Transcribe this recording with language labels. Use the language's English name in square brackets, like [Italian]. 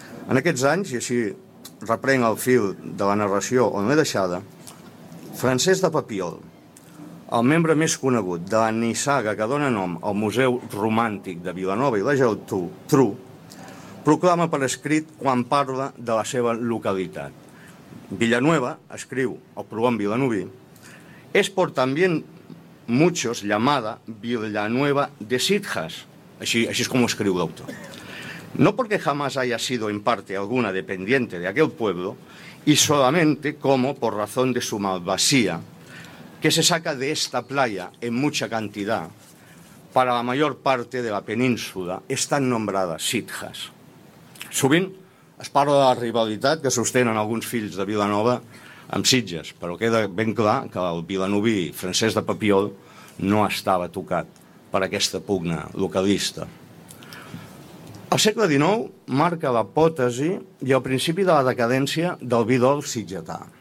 [Catalan] En aquests anys, i així reprenc el fil de la narració on l'he deixada, Francesc de Papiol, el membre més conegut de la nissaga que dona nom al Museu Romàntic de Vilanova i la Geltrú, proclama per escrit quan parla de la seva localitat. Villanueva, escriu el prohom vilanoví, és [Spanish] por también muchos llamada [Catalan] Villanueva de Sitges, així és com ho escriu l'autor. [Spanish] No porque jamás haya sido en parte alguna dependiente de aquel pueblo, y solamente como por razón de su malvasía, que se saca de esta playa en mucha cantidad, para la mayor parte de la península están nombradas Sitges. [Catalan] Sovint es parla de la rivalitat que sostenen alguns fills de Vilanova amb Sitges, però queda ben clar que el vilanoví Francesc de Papiol no estava tocat per aquesta pugna localista. El segle XIX marca l'apòtesi i el principi de la decadència del vi dolç sitgetà.